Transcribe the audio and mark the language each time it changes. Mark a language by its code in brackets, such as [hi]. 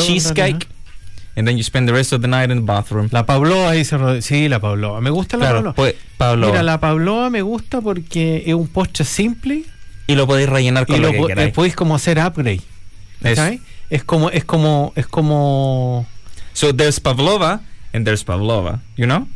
[en] a cheesecake, and then you spend the rest of the night in the bathroom. [es] La Pabloa, dice Rodríguez. Sí, la Pabloa. Me gusta la Pabloa. Pues, Pabloa. Mira, la Pabloa me gusta porque es un postre simple. Y lo podéis rellenar con lo que queráis. Y lo podéis como hacer upgrade. Es como. [en] So there's Pavlova, and there's Pavlova, you know?